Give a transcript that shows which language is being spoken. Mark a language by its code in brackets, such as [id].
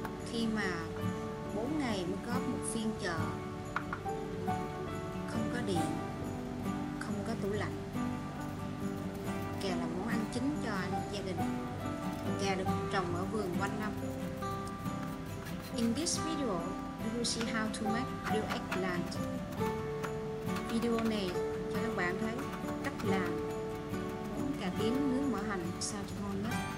[vi] Khi mà 4 ngày mới có một phiên chợ, không có điện, không có tủ lạnh, cà là món ăn chính cho gia đình. Cà được trồng ở vườn quanh năm. [en] In this video, you will see how to make grilled eggplant. [vi] Video này cho các bạn thấy cách làm món cà tím nướng mỡ hành sao cho ngon nhất.